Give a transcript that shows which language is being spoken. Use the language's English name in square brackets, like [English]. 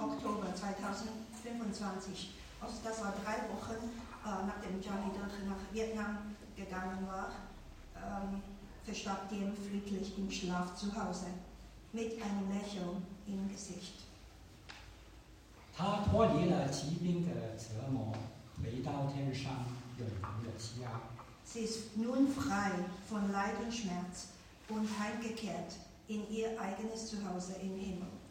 [German] Oktober 2025, also das war drei Wochen nachdem Johnny dann nach Vietnam gegangen war, verstarb Diem friedlich im Schlaf zu Hause mit einem Lächeln im Gesicht. [Chinese] 他脱离了疾病的折磨，回到天上永恒的家。 [German] Sie ist nun frei von Leid und Schmerz und heimgekehrt in ihr eigenes Zuhause im Himmel.